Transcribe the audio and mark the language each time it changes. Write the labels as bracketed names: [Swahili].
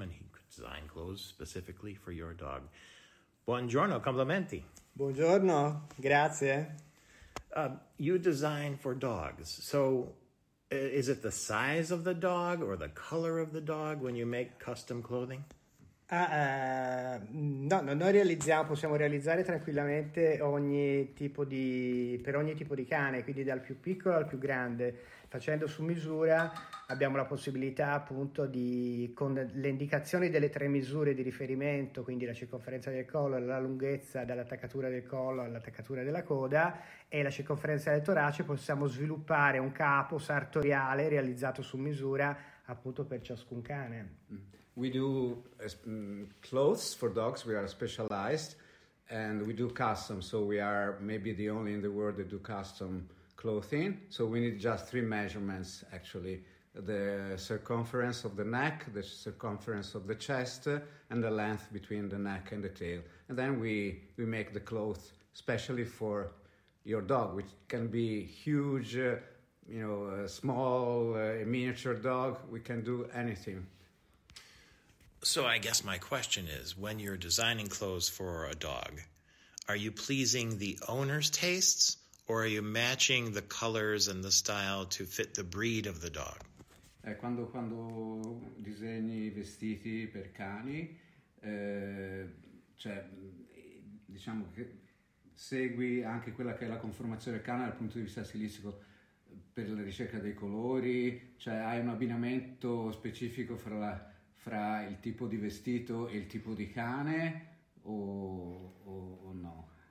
[English] And he could design clothes specifically for your dog. [Italian] Buongiorno, complimenti. Buongiorno, grazie. [English] You design for dogs. So is it the size of the dog or the color of the dog when you make custom clothing? [Italian] No, noi realizziamo, possiamo realizzare tranquillamente per ogni tipo di cane, quindi dal più piccolo al più grande. Facendo su misura abbiamo la possibilità appunto di, con le indicazioni delle tre misure di riferimento, quindi la circonferenza del collo, la lunghezza dall'attaccatura del collo all'attaccatura della coda e la circonferenza del torace, possiamo sviluppare un capo sartoriale realizzato su misura appunto per ciascun cane. [English] We do clothes for dogs, we are specialized and we do custom, so we are maybe the only in the world that do custom clothing. So we need just three measurements, actually: the circumference of the neck, the circumference of the chest, and the length between the neck and the tail. And then we make the clothes specially for your dog, which can be huge, small, a miniature dog. We can do anything. So I guess my question is, when you're designing clothes for a dog, are you pleasing the owner's tastes? Or are you matching the colors and the style to fit the breed of the dog? [Italian] Quando disegni vestiti per cani, cioè diciamo che segui anche quella che è la conformazione del cane dal punto di vista stilistico per la ricerca dei colori, cioè hai un abbinamento specifico fra il tipo di vestito e il tipo di cane o no?